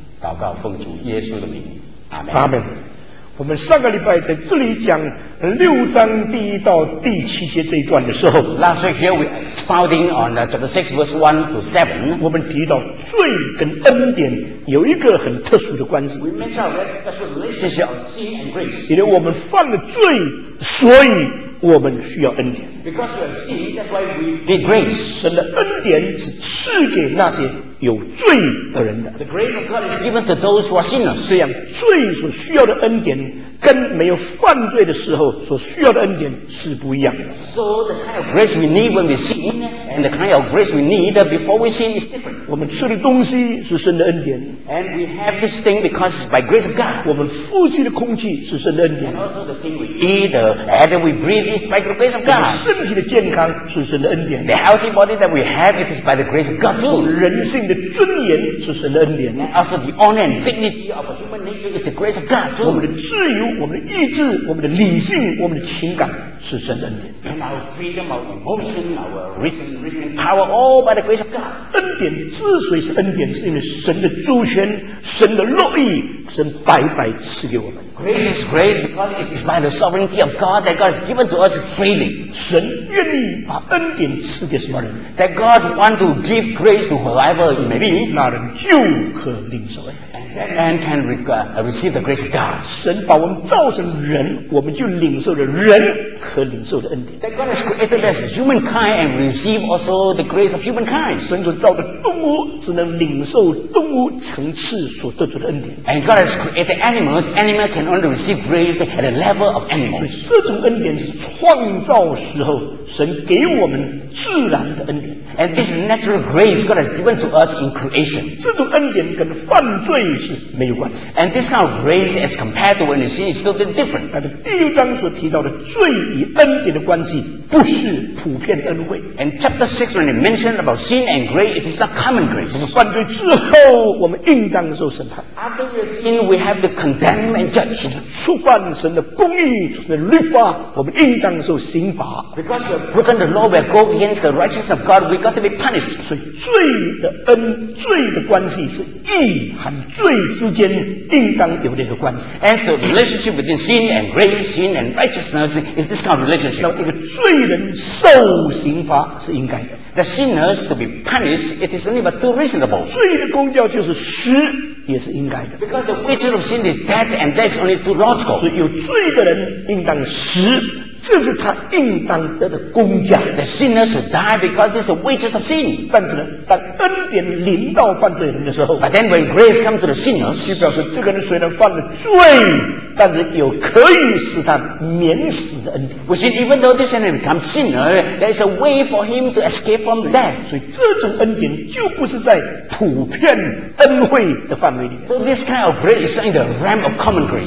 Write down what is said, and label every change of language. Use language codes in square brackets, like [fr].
[zh] 祷告奉主耶稣的名，阿们，阿们。我们上个礼拜在这里讲六章第一到第七节这一段的时候 [en] ，Last week here we starting on chapter six verse 1 to 7。 [zh] 我们提到罪跟恩典有一个很特殊的关系。 [en] We mentioned a special relationship of sin and grace。 [zh] 因为我们犯了罪，所以我们需要恩典。 [en] Because we have sin, that's why we need grace。 [zh] 神的恩典是赐给那些有罪的人的。 [en] The grace of God is given to those who are sinners。 [zh] 这样，罪所需要的恩典跟没有犯罪的时候所需要的恩典是不一样的。 [en] So the kind of grace we need when we sin and the kind of grace we need before we sin is different。 [zh] 我们吃的东西是神的恩典。 [en] And we have this thing because it's by grace of God。 [zh] 我们呼吸的空气是神的恩典。 [en] And also the thing we eat, the air that we breathe is by the grace of God。 [zh] 身体的健康是神的恩典。 [en] The healthy body that we have it is by the grace of God too。 [zh] 人性的尊严是神的恩典。 [en] And also the honor and dignity of a human nature is the grace of God too。 [zh] 我们的自由、我们的意志、我们的理性、我们的情感是神的恩典。 [en] And our freedom, our emotion, our reason power all by the grace of God。 [zh] 恩典之所以是恩典，是因为神的主权、神的乐意，神白白赐给我们。 [en] Grace is grace because it is by the sovereignty of God that God has given to us freely。 [zh] 神愿意把恩典赐给什么人 [en] ？That God want to give grace to whoever it may be。 [zh] 那人就可领受。 [en] That man can receive the grace of God。 [zh] 神把我们造成人，我们就领受了人可领受的恩典。 [en] That God has created us humankind and receive also the grace of humankind。 [zh] 神所造的动物只能领受动物层次所得出的恩典。 [en] And God has created animals. Animal can only receive grace at the level of animals。 [zh] 所以这种恩典是创造时候神给我们自然的恩典。 [en] And this natural grace God has given to us in creation。 [zh] 这种恩典跟犯罪是没有关系。 [en] And this kind of grace as compared to when you sin is totally different。 [zh] 但是第六章所提到的罪与恩典的关系不是普遍的恩惠。 [en] And chapter 6 when you mentioned about sin and grace, it is not common grace。 [zh] 我们犯罪之后，我们应当受审判。 [en] After we sin, we have to condemn and judge。 [zh] 触犯神的公义、神的律法，我们应当受刑罚。 [en] Because we have broken the law, we go against the righteousness of God, we got to be punished。 [zh] 所以罪的恩、罪的关系是义和罪之间应当有这个关系。 [en] And so the relationship between sin and grace, sin and righteousness is this kind of relationship。 [zh] 那么一个罪人受刑罚是应该的。 [en] The sinners to be punished, it is only but too reasonable. [zh] 罪的公教就是死，也是应该的。 [en] Because the wages of sin is death, and that's only too logical. [zh] 所以有罪的人应当死，这是他应当得的公价。 [en] The sinner should die because this is the wages of sin. [zh] 但是呢，当恩典临到犯罪人的时候 [en] ，But then when grace comes to the sinners, [zh] 就表示这个人虽然犯了罪，但是有可以使他免死的恩典。 [en] We see, even though this enemy becomes sinner, there is a way for him to escape from death. [zh] 所以这种恩典就不是在普遍恩惠的范围里面。 [en] So this kind of grace is in the realm of common grace.